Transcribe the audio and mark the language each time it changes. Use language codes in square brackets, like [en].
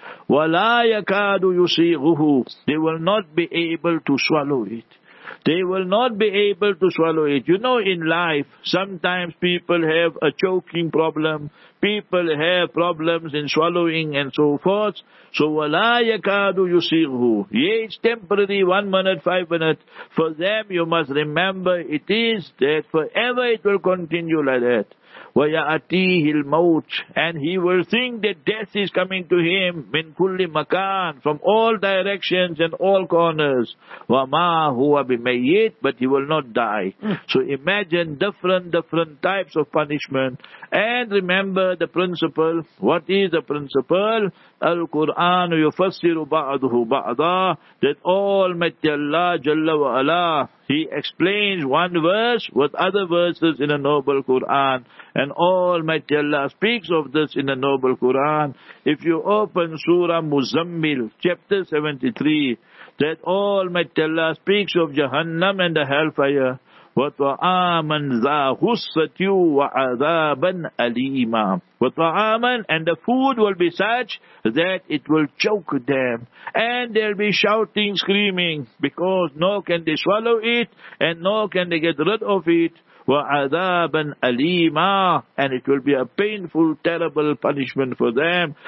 [ar] Wala yakadu yusighuhu. [en] They will not be able to swallow it. They will not be able to swallow it. You know, in life, sometimes people have a choking problem. People have problems in swallowing and so forth. So, [ar] وَلَا يَكَادُ يُسِيغُهُ. [en] Yes, temporary, 1 minute, 5 minutes. For them, you must remember, it is that forever it will continue like that. [ar] وَيَأَتِيهِ الْمَوْتِ. [en] And he will think that death is coming to him, [ar] مِنْ كُلِّ مَكَانٍ, [en] from all directions and all corners. [ar] وَمَا هُوَ بِمَيِّتٍ. [en] But he will not die. So imagine different types of punishment. And remember the principle. What is the principle? [ar] القرآن يفسر بعضه بعضا. [en] That Almighty Allah Jalla wa Ala, he explains one verse with other verses in a noble Quran. And Almighty Allah speaks of this in a noble Quran. If you open Surah Muzammil, chapter 73, that Almighty Allah speaks of Jahannam and the hellfire. [ar] وَطَعَامًا ذَا غُصَّةٍ وَعَذَابًا أَلِيمًا. [en] وَطَعَامًا, and the food will be such that it will choke them. And they'll be shouting, screaming, because nor can they swallow it, and nor can they get rid of it. [ar] وَعَذَابًا أَلِيمًا, [en] and it will be a painful, terrible punishment for them.